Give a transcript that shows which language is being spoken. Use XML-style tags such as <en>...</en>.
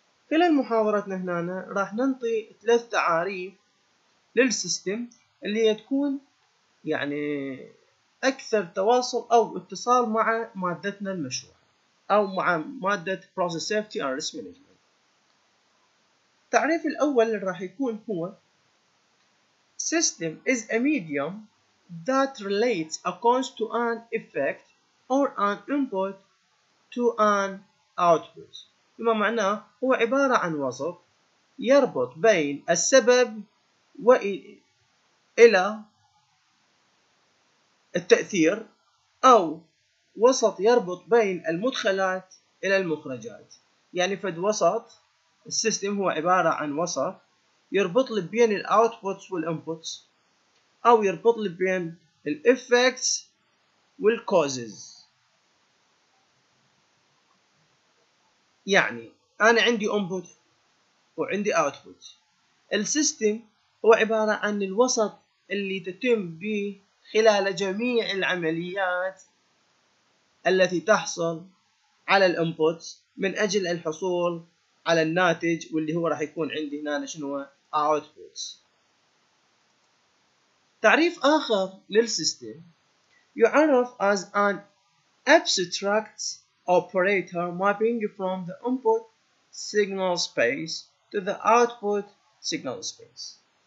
<ar>خلال محاضرتنا هنا راح ننطي ثلاث تعاريف للسيستم اللي تكون يعني أكثر تواصل أو اتصال مع مادتنا المشروع أو مع مادة Process Safety and Risk Management. التعريف الأول اللي راح يكون هو</ar> <en>System is a medium that relates a cause to an effect or an input to an output.</en> <ar>بما معناه هو عبارة عن وسط يربط بين السبب وإلى التأثير، أو وسط يربط بين المدخلات إلى المخرجات. يعني فد وسط السيستم هو عبارة عن وسط يربط لي بين الأوتبوتس والإنبوتس، أو يربط لي بين الإفكتس والكوزز. يعني أنا عندي إنبوت وعندي أوتبوت، السيستم هو عبارة عن الوسط اللي تتم به خلال جميع العمليات التي تحصل على الانبوت من اجل الحصول على الناتج واللي هو راح يكون عندي هنا شنو هو اوتبوت. تعريف اخر للسيستم يعرف</ar> <en>as an abstract operator mapping from the input signal space to the output signal space.</en>